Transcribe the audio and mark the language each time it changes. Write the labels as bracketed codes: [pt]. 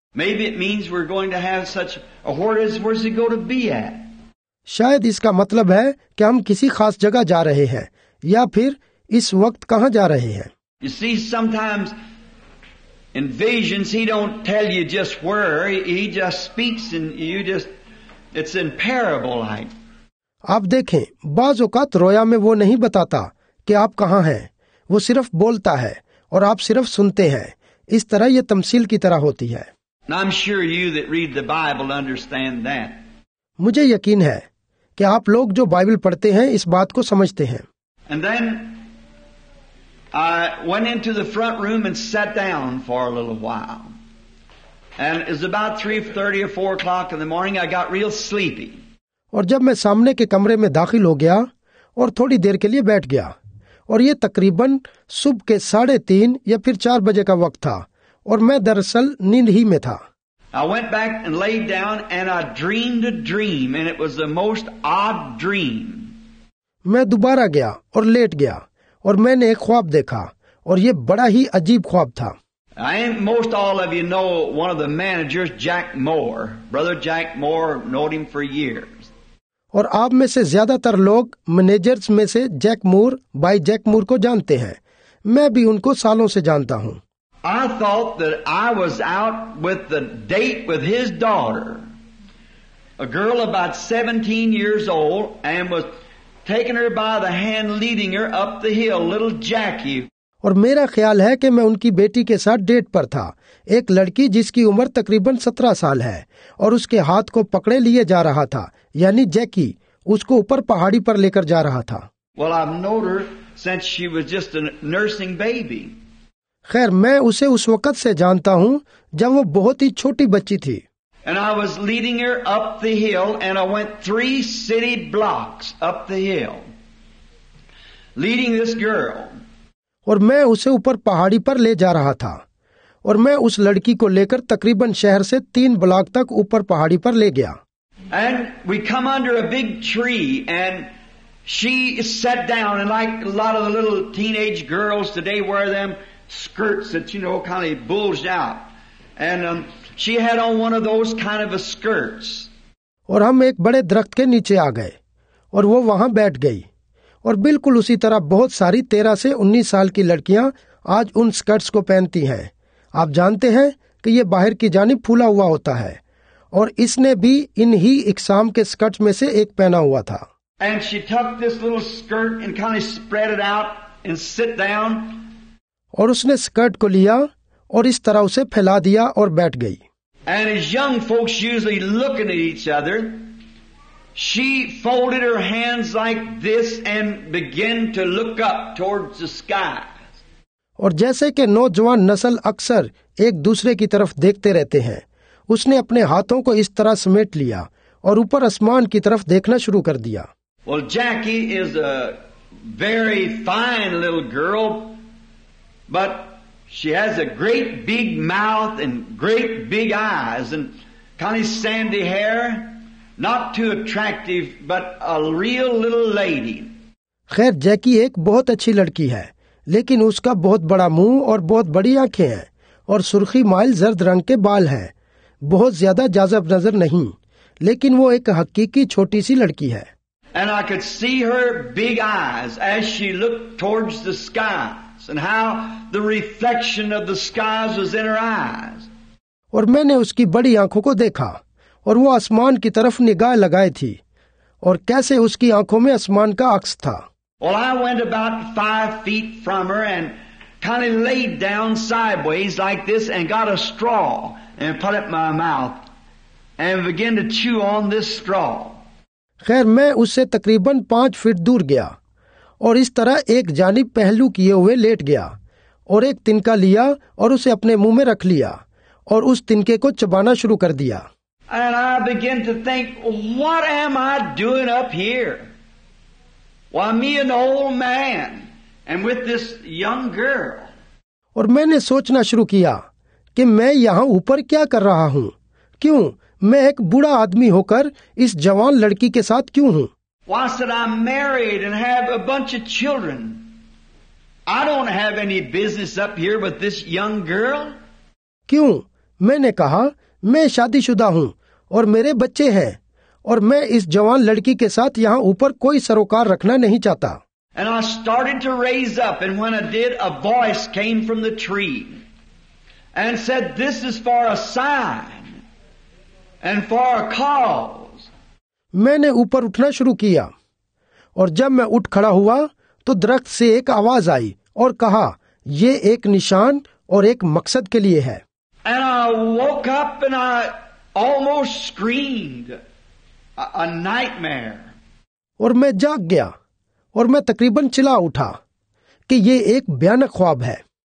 [en] Maybe it means we're going to have such a horrors, where's it going to be at? [hi] शायद इसका मतलब है कि हम किसी खास जगह जा रहे हैं, या फिर इस वक्त कहां जा रहे हैं। [en] You see, sometimes in visions he don't tell you just where, he just speaks and you just, it's in parable like. [hi] आप देखें, बाज़ औक़ात रोया में वो नहीं बताता कि आप कहां हैं, वो सिर्फ बोलता है और आप सिर्फ सुनते हैं, इस तरह ये तमसील की तरह होती है। [en] Now I'm sure you that read the Bible understand that. [hi] मुझे यकीन है कि आप लोग जो बाइबल पढ़ते हैं इस बात को समझते हैं। [en] And then I went into the front room and sat down for a little while. And it was about 3:30 or 4 o'clock in the morning, I got real sleepy. [hi] और जब मैं सामने के कमरे में दाखिल हो गया और थोड़ी देर के लिए बैठ गया, और ये तकरीबन सुबह के 3:30 या फिर 4 बजे का वक्त था, और मैं दरअसल नींद ही में था। [en] I went back and laid down and I dreamed a dream and it was the most odd dream. [hi] मैं दोबारा गया और लेट गया, और मैंने एक ख्वाब देखा, और ये बड़ा ही अजीब ख्वाब था। [en] Most all of you know one of the managers, Jack Moore. Brother Jack Moore, known him for years. [hi] और आप में से ज्यादातर लोग मैनेजर्स में से जैक मूर, भाई जैक मूर को जानते हैं। मैं भी उनको सालों से जानता हूँ। [en] I thought that I was out with the date with his daughter, a girl about 17 years old, and was taking her by the hand, leading her up the hill, little Jackie. [hi] और मेरा ख्याल है कि मैं उनकी बेटी के साथ डेट पर था, एक लड़की जिसकी उम्र तकरीबन 17 साल है, और उसके हाथ को पकड़े लिए जा रहा था, यानी जैकी, उसको ऊपर पहाड़ी पर लेकर जा रहा था। [en] Well, I've known her since she was just a nursing baby. [hi] खैर, मैं उसे उस वक्त से जानता हूँ जब वो बहुत ही छोटी बच्ची थी। [en] And I was leading her up the hill, and I went 3 city blocks up the hill, leading this girl. [hi] और मैं उसे ऊपर पहाड़ी पर ले जा रहा था, और मैं उस लड़की को लेकर तकरीबन शहर से 3 ब्लॉक तक ऊपर पहाड़ी पर ले गया। [en] And we come under a big tree, and she sat down, and like a lot of the little teenage girls today wear them skirts that you know kind of bulged out, and she had on one of those kind of a skirts. [hi] और हम एक बड़े दरख्त के नीचे आ गए, और वो वहाँ बैठ गई, और बिल्कुल उसी तरह बहुत सारी 13 से 19 साल की लड़कियाँ आज उन स्कर्ट्स को पहनती हैं। आप जानते हैं कि ये बाहर की जानिब फूला हुआ होता है, और इसने भी इन ही इकसाम के स्कर्ट्स में से एक पहना हुआ था। [en] And she tucked this little skirt and kind of spread it out and sit down. [hi] और उसने स्कर्ट को लिया और इस तरह उसे फैला दिया और बैठ गई. [en] And as young folks usually looking at each other, she folded her hands like this and began to look up towards the sky. [hi] और जैसे कि नौजवान नस्ल अक्सर एक दूसरे की तरफ देखते रहते हैं, उसने अपने हाथों को इस तरह समेट लिया और ऊपर आसमान की तरफ देखना शुरू कर दिया. [en] Well, Jackie is a very fine little girl, but she has a great big mouth and great big eyes and kind of sandy hair. Not too attractive, but a real little lady. [hi] खैर, जैकी एक बहुत अच्छी लड़की है, लेकिन उसका बहुत बड़ा मुंह और बहुत बड़ी आंखें हैं और सुर्खी माइल जर्द रंग के बाल हैं. बहुत ज्यादा जाजब नजर नहीं, लेकिन वो एक हकीकी छोटी सी लड़की है. [en] And I could see her big eyes as she looked towards the skies and how the reflection of the skies was in her eyes. [hi] और मैंने उसकी बड़ी आंखों को देखा और वो आसमान की तरफ निगाह लगाए थी और कैसे उसकी आंखों में आसमान का अक्स था. [en] Well, I went about 5 feet from her and kind of laid down sideways like this and got a straw and put it in my mouth and began to chew on this straw. [hi] खैर, मैं उससे तकरीबन 5 feet दूर गया और इस तरह एक जानी पहलू किए हुए लेट गया और एक तिनका लिया और उसे अपने मुंह में रख लिया और उस तिनके को चबाना शुरू कर दिया. [en] And I begin to think, what am I doing up here? Why, me an old man, and with this young girl. [hi] और मैंने सोचना शुरू किया कि मैं यहाँ ऊपर क्या कर रहा हूँ? क्यों? मैं एक बूढ़ा आदमी होकर इस जवान लड़की के साथ क्यों हूँ? [en] Why, said I'm married and have a bunch of children. I don't have any business up here with this young girl. [hi] क्यों? मैंने कहा, मैं शादीशुदा हूँ और मेरे बच्चे हैं और मैं इस जवान लड़की के साथ यहाँ ऊपर कोई सरोकार रखना नहीं चाहता. [en] And I started to raise up, and when I did, a voice came from the tree and said, "This is for a sign and for a cause." [hi] मैंने ऊपर उठना शुरू किया और जब मैं उठ खड़ा हुआ तो दरख्त से एक आवाज आई और कहा, ये एक निशान और एक मकसद के लिए है. [en] And I woke up and I almost screamed, a nightmare. [hi] और मैं जाग गया और मैं तकरीबन चिल्ला उठा कि ये एक भयानक ख्वाब है.